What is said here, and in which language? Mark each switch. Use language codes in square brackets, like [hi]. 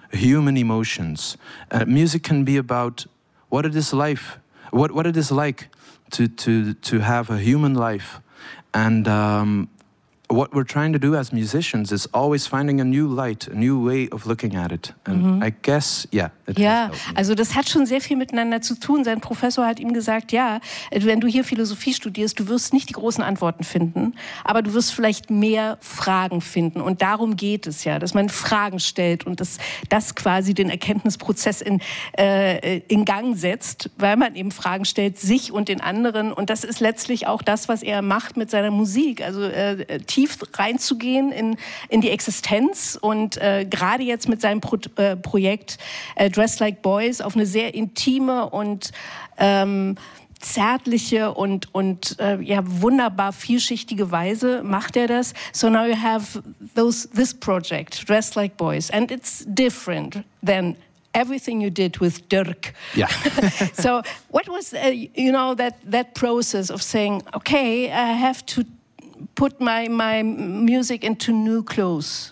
[en] human emotions. Music can be about what it is life, what it is like to have a human life. And what we're trying to do as musicians is always finding a new light, a new way of looking at it. And mm-hmm. I guess, yeah. [de] Ja, also das hat schon sehr viel miteinander zu tun. Sein Professor hat ihm gesagt, ja, wenn du hier Philosophie studierst, du wirst nicht die großen Antworten finden, aber du wirst vielleicht mehr Fragen finden. Und darum geht es ja, dass man Fragen stellt und dass das quasi den Erkenntnisprozess in Gang setzt, weil man eben Fragen stellt, sich und den anderen. Und das ist letztlich auch das, was er macht mit seiner Musik. Also tief reinzugehen in die Existenz und gerade jetzt mit seinem Projekt Dressed Like Boys auf eine sehr intime und zärtliche und wunderbar vielschichtige Weise macht er das. [en] So now you have this project, Dressed Like Boys, and it's different than everything you did with Dirk. Yeah. So what was, that process of saying, okay, I have to put my music into new clothes,